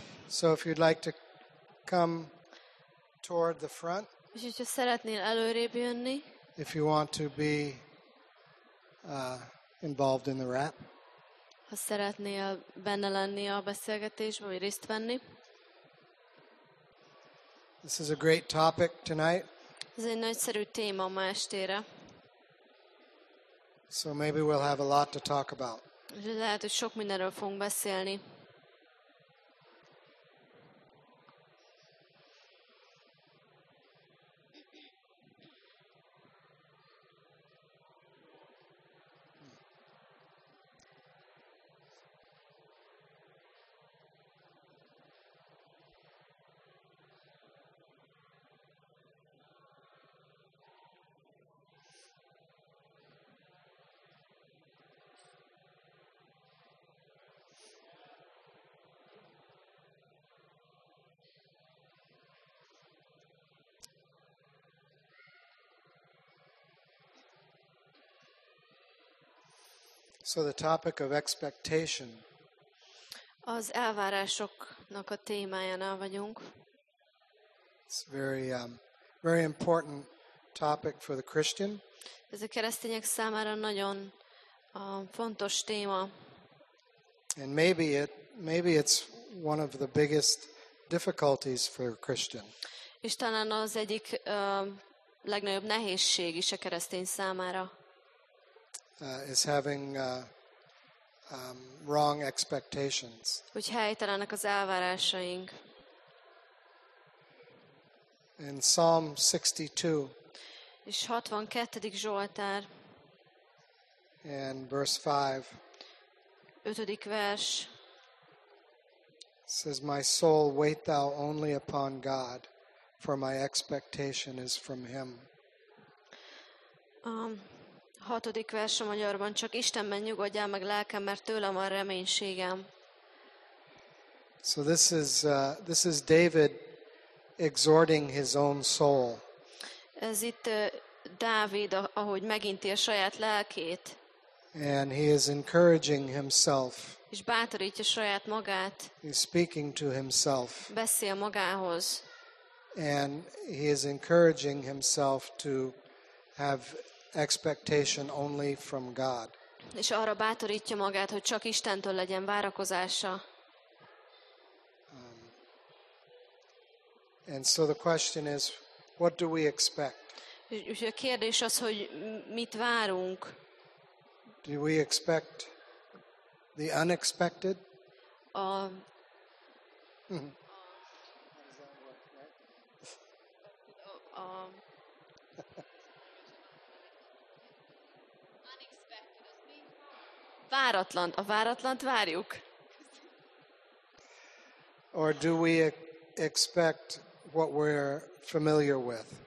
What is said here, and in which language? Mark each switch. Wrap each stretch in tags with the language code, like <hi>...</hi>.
<en>So if you'd like to come toward the front.</en> <hu>És hogyha szeretnél előrébb jönni.</hu> <en>If you want to be involved in the rap.</en> <hu>Ha szeretnél benne lenni a beszélgetésben, vagy részt venni.</hu> <en>This is a great topic tonight.</en> <hu>Ez egy nagyszerű téma ma estére.</hu> <en>So maybe we'll have a lot to talk about.</en> <hu>Lehet, hogy sok mindenről fogunk beszélni.</hu> <en>So the topic of expectation.</en> <hu>Az elvárásoknak a témájánál vagyunk.</hu> <en>It's very very important topic for the Christian.</en> <hu>Ez a keresztények számára nagyon fontos téma.</hu> <en>And maybe it's one of the biggest difficulties for a Christian.</en> <hu>És talán az egyik legnagyobb nehézség is a keresztény számára.</hu> <en>Is having wrong expectations.</en> <hu>Hogy helytelenek az elvárásaink.</hu> <en>In Psalm 62.</en> <hu>És 62. Zsoltár.</hu> <en>And verse 5.</en> <hu>5. vers.</hu> <en>Says, my soul, wait thou only upon God, for my expectation is from him.</en> <hu>6. vers a magyarban, csak Istenben nyugodjál meg lelkem, mert tőlem van reménységem.</hu> <en>So this is David exhorting his own soul.</en> <hu>Ez itt Dávid, ahogy meginti a saját lelkét.</hu> <en>And he is encouraging himself.</en> <hu>És bátorítja saját magát.</hu> <en>He's speaking to himself.</en> <hu>Beszél magához.</hu> <en>And he is encouraging himself to have expectation only from God.</en> <hu>És arra bátorítja magát, hogy csak Istentől legyen várakozása.</hu> <en>And so the question is, what do we expect?</en> <hu>És a kérdés az, hogy mit várunk?</hu> <en>Do we expect the unexpected?</en> <hu>Váratlan, a váratlant várjuk.</hu> <en>Or do we expect what we're familiar with?</en>